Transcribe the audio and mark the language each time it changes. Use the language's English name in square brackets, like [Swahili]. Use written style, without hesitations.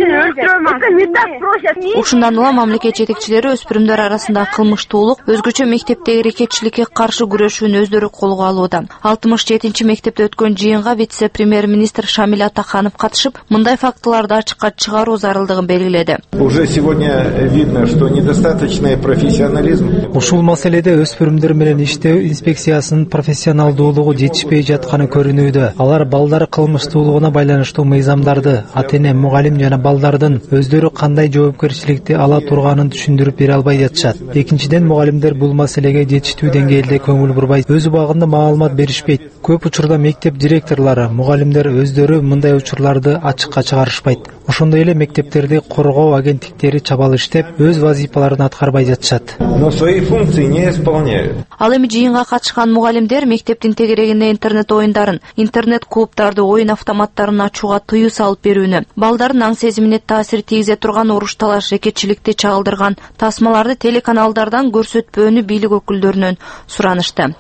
[Kyrgyz] өлтүрөм. Ушундан улам мамлекет жетекчилери өспүрүмдөр арасында кылмыштуулук, өзгөчө мектептеги рекетчиликке каршы күрөшүүнү өздөрү колго алууда. 67-чи мектепте өткөн жыйынга вице-премьер-министр Шамил Атаханов катышып, мындай фактыларды ачыкка чыгаруу зарылдыгын белгиледи. [Russian] Уже сегодня видно, что недостаточный профессионализм. [Kyrgyz] Ушул маселеде өспүрүмдөр менен иштөө инспекциясынын профессионалдуулугу жетишпей жатканы көрүнүүдө. Алар балдар кылмыштуулугуна байланыштуу мыйзамдарды, ата-эне, мугалим жана балдардын өздөрү кандай жоопкерчиликти ала турганын түшүндүрүп бере албай жатышат. Экинчиден, мугалимдер бул маселеге жетиштүү деңгээлде көңүл бурбайт. Өз убагында маалымат беришпейт. Көп учурда мектеп директорлары, мугалимдер өздөрү мындай учурларды ачыкка чыгарышпайт. Ошондой эле мектептерди коргоо агенттиктери чабал иштеп, өз вазифаларын аткарбай жатышат. [Russian] Но свои функции не исполняют. [Kyrgyz] Ал эми жыйынга катышкан мугалимдер мектептин тегерегинде интернет оюндарын, интернет клубтарды, оюн автоматтарын ачууга тыюу салып берүүнү, балдардын аң сезимине таасир тийгизе турган уруш талаш рекетчиликти чагылдырган тасмаларды телеканалдардан көрсөтпөөнү бийлик өкүлдөрүнөн суранышты.